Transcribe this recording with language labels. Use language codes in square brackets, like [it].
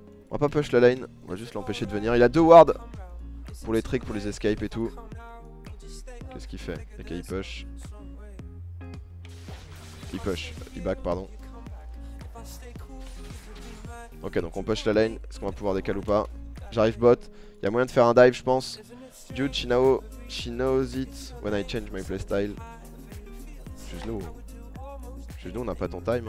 [fr] On va pas push la lane, on va juste l'empêcher de venir. Il a deux wards pour les tricks, pour les escapes et tout. Qu'est-ce qu'il fait? Ok, il push. Il push, il back pardon. Ok, donc on push la lane. Est-ce qu'on va pouvoir décaler ou pas? J'arrive bot. Il y a moyen de faire un dive, je pense. [en] Dude, she knows it when I change my playstyle. [fr] Juste nous, on n'a pas ton time.